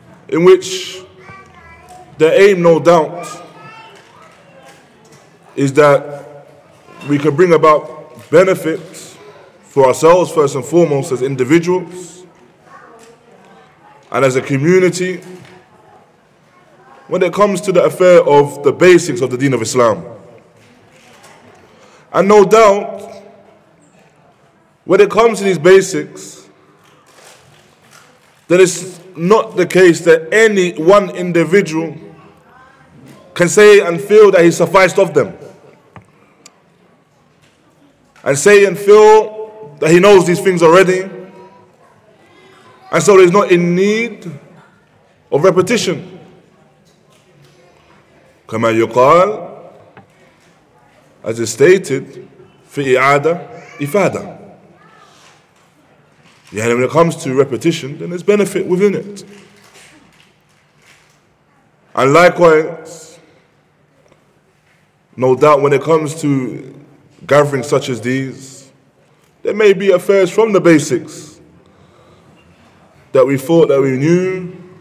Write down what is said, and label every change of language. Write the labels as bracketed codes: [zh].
[en] in which their aim, no doubt, is that we can bring about benefits for ourselves first and foremost as individuals and as a community when it comes to the affair of the basics of the Deen of Islam. And no doubt, when it comes to these basics, that it's not the case that any one individual can say and feel that he sufficed of them. And say and feel that he knows these things already, and so he's not in need of repetition. [ar] كما يقال, [en] as is stated, [ar] في إعادة إفادة. [en] And when it comes to repetition, then there's benefit within it. And likewise, no doubt when it comes to gatherings such as these, there may be affairs from the basics that we thought that we knew.